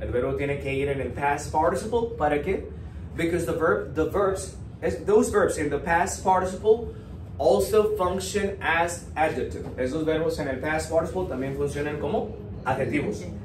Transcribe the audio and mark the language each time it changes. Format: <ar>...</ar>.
<es>El verbo tiene que ir en el past participle. ¿Para qué?</es> <en>Because those verbs in the past participle also function as adjective.</en> <es>Esos verbos en el past participle también funcionan como adjetivos.</es>